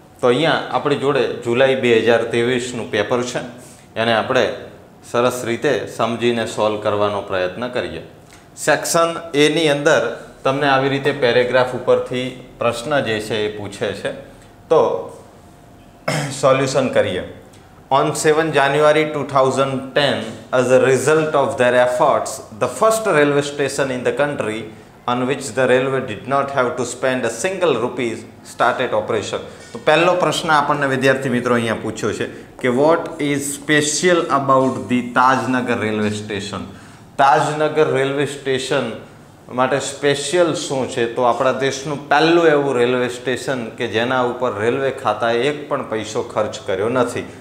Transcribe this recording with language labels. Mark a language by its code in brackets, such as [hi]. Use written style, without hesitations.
[gu] તો અહીંયા આપણી જોડે જુલાઈ 2023નું પેપર છે, એને આપણે સરસ રીતે સમજીને સોલ્વ કરવાનો પ્રયત્ન કરીએ. સેક્શન એની અંદર તમને આવી રીતે પેરેગ્રાફ ઉપરથી પ્રશ્ન જે છે એ પૂછે છે, તો સોલ્યુશન કરીએ. [en] On 7 January 2010, as a result of their efforts, the first railway station in the country on which the railway did not have to spend a single rupee started operation. [gu] તો પહેલો પ્રશ્ન આપણને વિદ્યાર્થી મિત્રો અહીંયા પૂછ્યો છે કે [en] What is special about the Tajnagar railway station. [gu] Tajnagar railway station માટે સ્પેશિયલ શું છે? તો આપણા દેશનું પહેલું એવું રેલવે સ્ટેશન કે જેના ઉપર રેલવે ખાતાએ એક પણ પૈસો ખર્ચ કર્યો નથી.